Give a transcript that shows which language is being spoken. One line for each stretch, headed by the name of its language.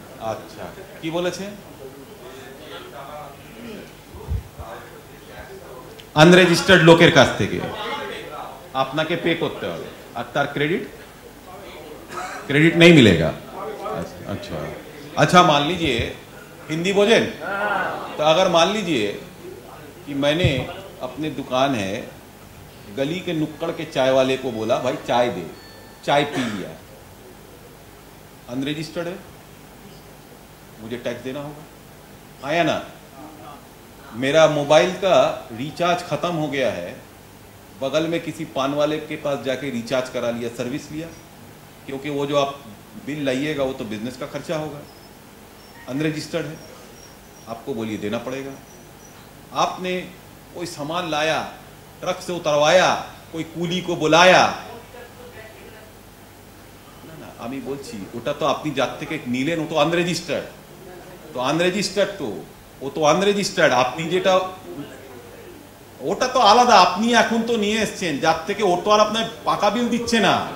Bangla: আচ্ছা, কি বলেছে? আনরেজিস্টার্ড লোকের কাছ থেকে আপনাকে পে করতে হবে আর তার ক্রেডিট, ক্রেডিট
Hindi: নেই মিলেগা।
Bangla: আচ্ছা আচ্ছা,
Hindi: মান লিজিয়ে हिंदी बोझेन तो अगर मान लीजिए कि मैंने अपने दुकान है गली के नुक्कड़ के चाय वाले को बोला भाई चाय दे, चाय पी लिया, अनरजिस्टर्ड है, मुझे टैक्स देना होगा, आया ना। मेरा मोबाइल का रिचार्ज खत्म हो गया है, बगल में किसी पान वाले के पास जाके रिचार्ज करा लिया, सर्विस लिया, क्योंकि वो जो आप बिल लाइएगा वो तो बिजनेस का खर्चा होगा, अनरजिस्टर्ड है, आपको बोलिए देना पड़ेगा। आपने कोई सामान लाया, ट्रक से उतरवाया, कोई कूली को बुलाया,
Bangla: আমি বলছি ওটা তো আপনি যার থেকে নিলেন ও তো আনরেজিস্টার্ড, তো আনরেজিস্টার্ড তো ও তো আনরেজিস্টার্ড, আপনি যেটা ওটা তো আলাদা, আপনি এখন তো নিয়ে এসছেন যার থেকে, ও তো আর আপনার পাকা বিল দিচ্ছে না।